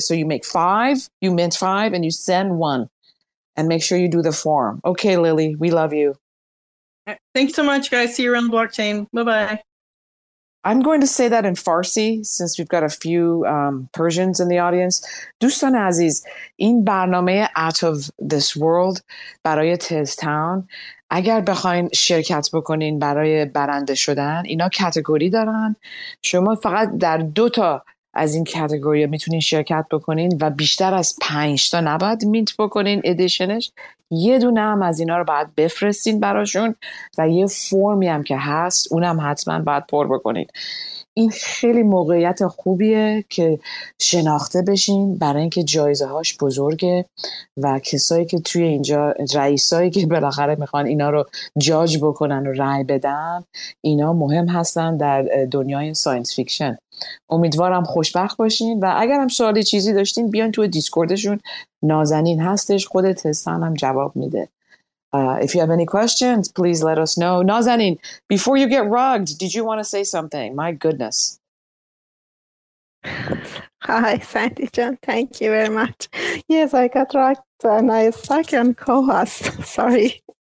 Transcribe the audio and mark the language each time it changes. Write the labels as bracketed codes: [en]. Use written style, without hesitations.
[en] So you make five, you mint five, and you send one. And make sure you do the form. Okay, Lily, we love you. Thanks so much, guys. See you around the blockchain. Bye-bye. I'm going to say that in Farsi, since we've got a few Persians in the audience. [fa] دوستان عزیز, این برنامه Out of This World برای Tez Town, اگر بخواین شرکت بکنین برای برنده شدن, اینا کاتگوری دارن. شما فقط در دو تا از این کاتگوری میتونین شرکت بکنین و بیشتر از 5 تا نباید مینت بکنین ادیشنش. یه دونه هم از اینا رو باید بفرستین براشون و یه فرمی هم که هست اونم حتما باید پر بکنین. این خیلی موقعیت خوبیه که شناخته بشین, برای اینکه جایزه هاش بزرگه و کسایی که توی اینجا, رئیسایی که بالاخره میخوان اینا رو جاج بکنن و رای بدن, اینا مهم هستن در دنیای ساینس فیکشن. امیدوارم خوشبخت باشین و اگرم سوالی چیزی داشتین بیان تو دیسکوردشون، نازنین هستش، خود تستان هم جواب میده. [en] If you have any questions, please let us know. Nazanin, before you get rugged, did you want to say something? My goodness. Hi, Sandy-chan. Thank you very much. Yes, I got rugged and I stuck on co-host. Sorry.